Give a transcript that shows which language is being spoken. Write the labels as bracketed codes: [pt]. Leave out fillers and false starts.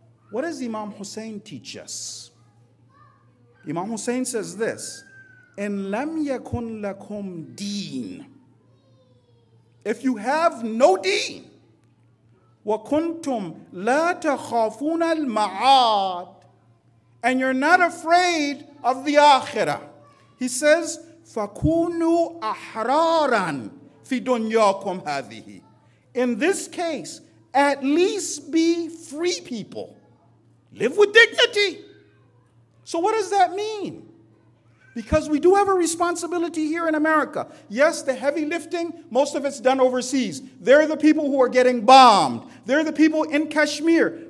[en] What does Imam Hussein teach us? Imam Hussein says this, [ar] "En lam yakun lakum deen." [en] If you have no deen, [ar] وَكُنْتُمْ لَا تَخَافُونَ الْمَعَادِ, [en] and you're not afraid of the Akhirah. He says, [ar] فَكُونُوا أَحْرَارًا فِي دُنْيَاكُمْ هَذِهِ. [en] In this case, at least be free people. Live with dignity. So what does that mean? Because we do have a responsibility here in America. Yes, the heavy lifting, most of it's done overseas. They're the people who are getting bombed. They're the people in Kashmir.